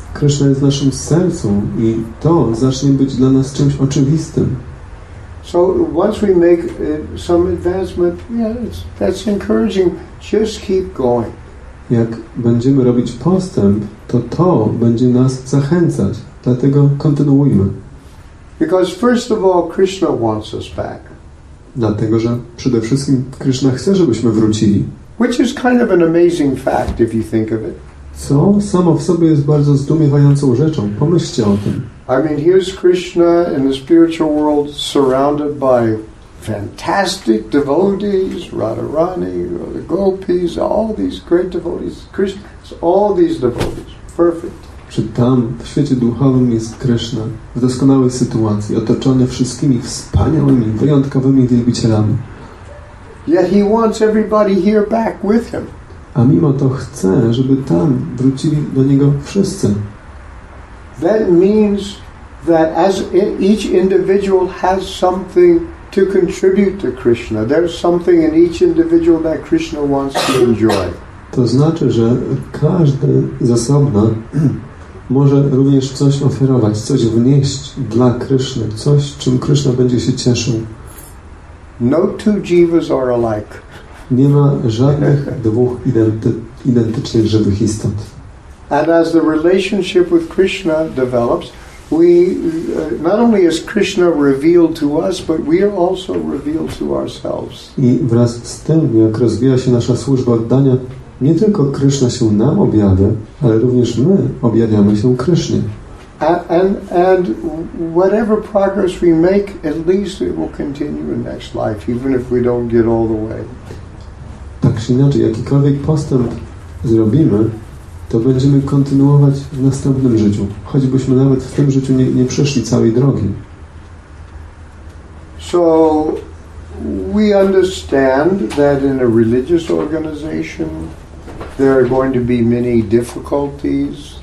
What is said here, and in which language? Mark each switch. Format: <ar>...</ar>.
<pl>Krishna jest w naszym sercu i to zacznie być dla nas czymś oczywistym.</pl> <en>So once we make some advancement, yeah, that's encouraging. Just keep going.</en> <pl>Jak będziemy robić postęp, to będzie nas zachęcać. Dlatego kontynuujmy.</pl> <en>Because first of all, Krishna wants us back.</en> <pl>Dlatego, że przede wszystkim Krishna chce, żebyśmy wrócili.</pl> <en>Which is kind of an amazing fact, if you think of it.</en> <pl>Co samo w sobie jest bardzo zdumiewającą rzeczą. Pomyślcie o tym.</pl> <en>I mean, here's Krishna in the spiritual world surrounded by fantastic devotees, Radharani, the gopis, all these great devotees. Krishna, it's all these devotees. Perfect.</en> <pl>Czy tam w świecie duchowym jest Krishna w doskonałej sytuacji, otoczony wszystkimi wspaniałymi, wyjątkowymi wielbicielami.</pl> <en>Yet he wants everybody here back with him.</en> <pl>A mimo to chce, żeby tam wrócili do niego wszyscy.</pl> <en>That means that as each individual has something to contribute to Krishna. There's something in each individual that Krishna wants to enjoy.</en> <pl>To znaczy, że każdy z osobna może również coś oferować, coś wnieść dla Krishny, coś, czym Krishna będzie się cieszył.</pl> <en>No two jivas are alike.</en> <pl>Nie ma żadnych dwóch identycznych żywych istot.</pl> <en>And as the relationship with Krishna develops, we not only is Krishna revealed to us, but we are also revealed to ourselves.</en> <pl>I wraz z tym, jak rozwija się nasza służba oddania, nie tylko Krishna się nam objawia, ale również my objawiamy się Krishnie.</pl> <en>And whatever progress we make, at least it will continue in next life, even if we don't get all the way.</en> <pl>Tak czy inaczej, jakikolwiek postęp zrobimy, to będziemy kontynuować w następnym życiu, choćbyśmy nawet w tym życiu nie przeszli całej drogi.</pl> <en>So we understand that in a religious organization there are going to be many difficulties.</en>